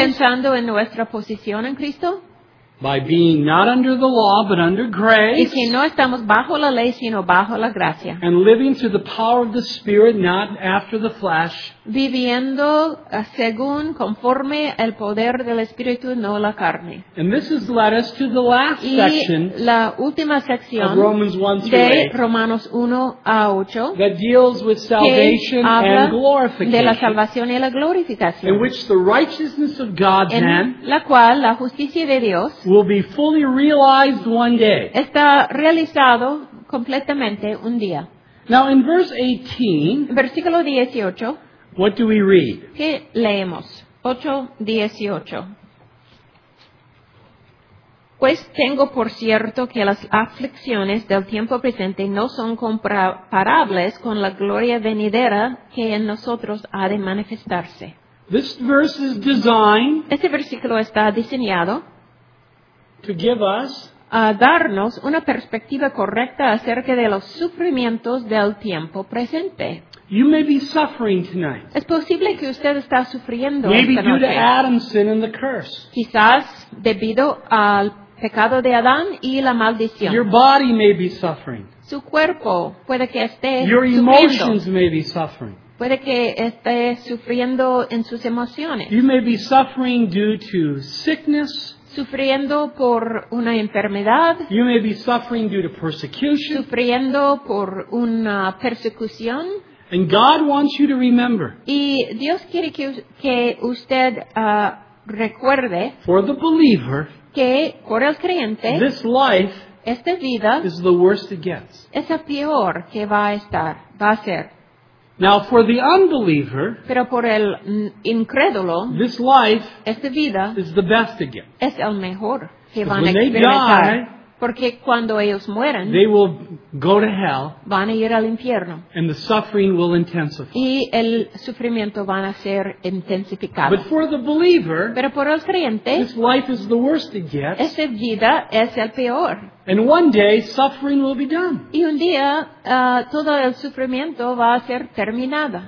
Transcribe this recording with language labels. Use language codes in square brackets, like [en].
[es] Pensando en nuestra posición en Cristo. [en] By being not under the law, but under grace. [es] Y que no estamos bajo la ley, sino bajo la gracia. [en] And living through the power of the Spirit, not after the flesh. [es] Viviendo según, conforme el poder del Espíritu, no la carne. [en] And this has led us to the last [es] y [en] section [es] la última sección [en] of Romans 1 [es] de Romanos 1 a 8 [en] that deals with salvation [es] que habla [en] and glorification, [es] de la salvación y la glorificación, [en] in which the righteousness of God [es] en [en] then [es] la cual la justicia de Dios [en] will be fully realized one day. [es] Está realizado completamente un día. [en] Now in verse 18, [es] versículo 18, [en] what do we read? [es] ¿Qué leemos? 8, 18. Pues tengo por cierto que las aflicciones del tiempo presente no son comparables con la gloria venidera que en nosotros ha de manifestarse. [en] This verse is designed [es] este versículo está diseñado [en] to give us [es] a darnos una perspectiva correcta acerca de los sufrimientos del tiempo presente. [en] You may be suffering tonight. [es] Es posible que usted está sufriendo [en] maybe [es] esta noche. [en] Due to Adam's sin and the curse. [es] Quizás debido al pecado de Adán y la maldición. [en] Your body may be suffering. [es] Su cuerpo puede que esté [en] your [es] sufriendo. [en] Emotions may be suffering. [es] Puede que esté sufriendo en sus emociones. [en] You may be suffering due to sickness. [es] Sufriendo por una enfermedad. [en] You may be suffering due to persecution. [es] Sufriendo por una persecución. [en] And God wants you to remember. [es] Y Dios quiere que usted recuerde. [en] For the believer. [es] Que por el creyente. [en] This life. [es] Esta vida. [en] Is the worst it gets. [es] Es el peor que va a estar. Va a ser. [en] Now for the unbeliever. [es] Pero por el incrédulo. [en] This life. [es] Esta vida. [en] Is the best it gets. [es] Es el mejor que van a experimentar. Porque cuando ellos mueren, [en] they will go to hell, [es] van a ir al infierno, [en] and the suffering will intensify. [es] Y el sufrimiento van a ser intensificado. [en] But for the believer, [es] pero por el creyente, [en] this life is the worst it gets. [es] Esa vida es el peor. [en] And one day, suffering will be done. [es] Y un día, todo el sufrimiento va a ser terminado.